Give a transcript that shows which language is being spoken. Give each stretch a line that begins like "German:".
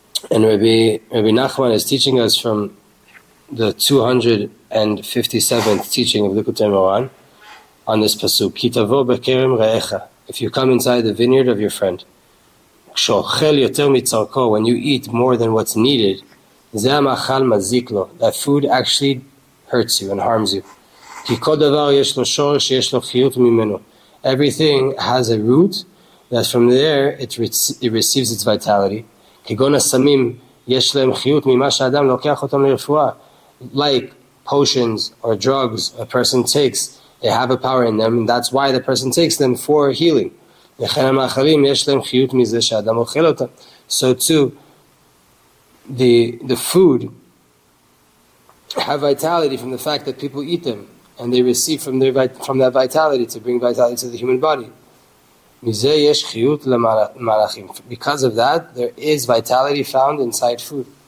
English: And Rabbi Nachman is teaching us from the 257th teaching of Likutei Moran on this pasuk,
Hebrew: Ki tavo bekerem re'echa,
English: if you come inside the vineyard of your friend,
Hebrew: k'shochel yoter mitzarko,
English: when you eat more than what's needed,
Hebrew: זה המאכל מזיק לו.
English: That food actually hurts you and harms you.
Hebrew: כי כל דבר יש לו שור שיש לו חיות ממנו.
English: Everything has a root that from there it receives its vitality.
Hebrew: כגון הסמים יש להם חיות ממה שאדם לוקח אותם לרפואה.
English: Like potions or drugs a person takes, they have a power in them, and that's why the person takes them for healing.
Hebrew: וכן המאכלים יש להם חיות מזה שאדם אוכל אותם.
English: So too, the food have vitality from the fact that people eat them and they receive from their from that vitality to bring vitality to the human body. Because of that, there is vitality found inside food.